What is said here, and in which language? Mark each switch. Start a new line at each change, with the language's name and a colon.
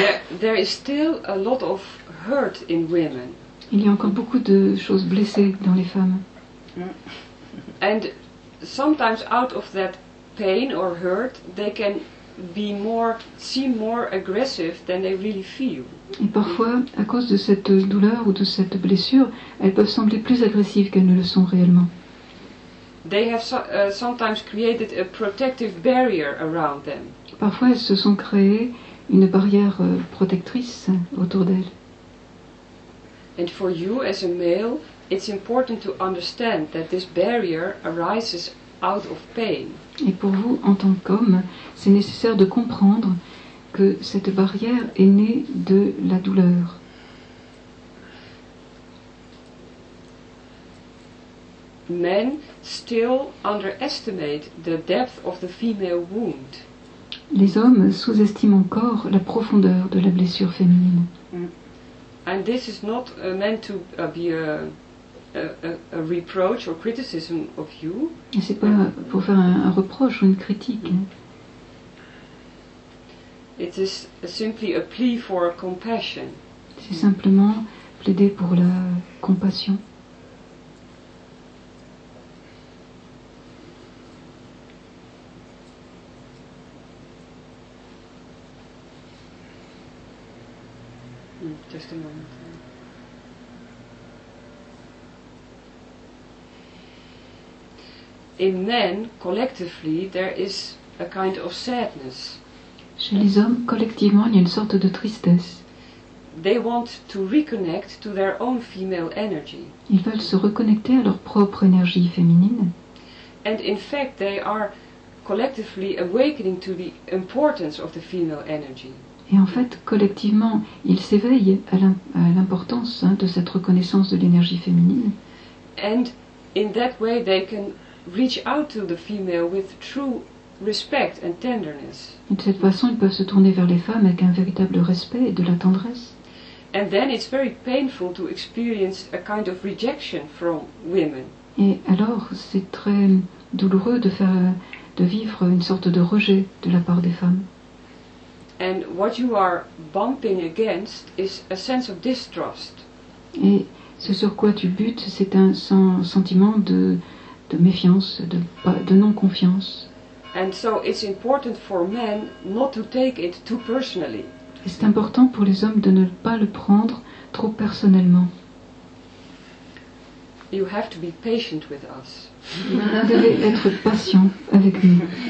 English: There is still a lot of hurt in women.
French: Il y a encore beaucoup de choses blessées dans les femmes.
English: And sometimes out of that pain or hurt, they can be more, seem more aggressive than they really feel.
French: Et parfois, à cause de cette douleur ou de cette blessure, elles peuvent sembler plus agressives qu'elles ne le sont réellement.
English: They have sometimes created a protective barrier around them.
French: Parfois, elles se sont créées une barrière protectrice autour d'elles.
English: And for you as a male, it's important to understand that this barrier arises out of pain.
French: Et pour vous, en tant qu'homme, c'est nécessaire de comprendre que cette barrière est née de la douleur.
English: Men still underestimate the depth of the female wound.
French: Les hommes sous-estiment encore la profondeur de la blessure féminine.
English: And this is not meant to be a reproach or criticism of you.
French: Et c'est pas pour faire un reproche ou une critique.
English: It is simply a plea for compassion.
French: C'est simplement plaider pour la compassion.
English: Just a moment. In men, collectively, there is a kind of sadness.
French: Chez les hommes, collectivement, il y a une sorte de tristesse.
English: They want to reconnect to their own female energy.
French: Ils veulent se reconnecter à leur propre énergie féminine.
English: And in fact, they are collectively awakening to the importance of the female energy.
French: Et en fait, collectivement, ils s'éveillent à l'importance de cette reconnaissance de l'énergie féminine.
English: And in that way, they can reach out to the female with true respect and tenderness.
French: De cette façon, ils peuvent se tourner vers les femmes avec un véritable respect et de la tendresse.
English: And then it's very painful to experience a kind of rejection from women.
French: Et alors, c'est très douloureux de faire, de vivre une sorte de rejet de la part des femmes.
English: And what you are bumping against is a sense of distrust.
French: Et ce sur quoi tu butes, c'est un sentiment de méfiance, de non-confiance.
English: And so it's important for men not to take it too personally.
French: Et c'est important pour les hommes de ne pas le prendre trop personnellement.
English: You have to be patient with us.
French: Vous devez être patient avec nous.